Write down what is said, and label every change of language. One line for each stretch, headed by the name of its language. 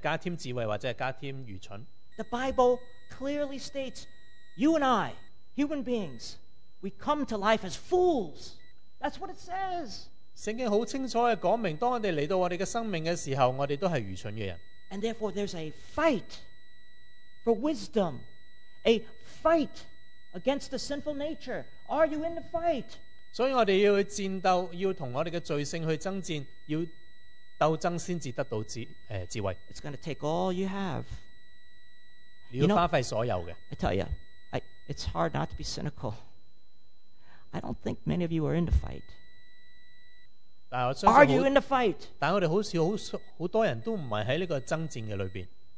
Chinese: 我们不只是一个空的器皿，我们可以随意的去加添智慧或者加添愚蠢。
English: The Bible clearly states, you and I, human beings, we come to life as fools. That's what it says.
Chinese: 圣经很清楚地说明，当我们来到我们的生命的时候，我们都是愚蠢的人。
English: And therefore there's a fight for wisdom, a fight against the sinful nature. Are you in the fight?
Chinese: 所以我们要去战斗，要同我们的罪性去争战，要斗争才得到智慧。
English: It's going to take all you have.
Chinese: 你要花费所有的。
English: I tell you, it's hard not to be cynical. I don't think many of you are in the fight. Are you in the fight?
Chinese: 但我们好像很多人都不是在这个争战的里面。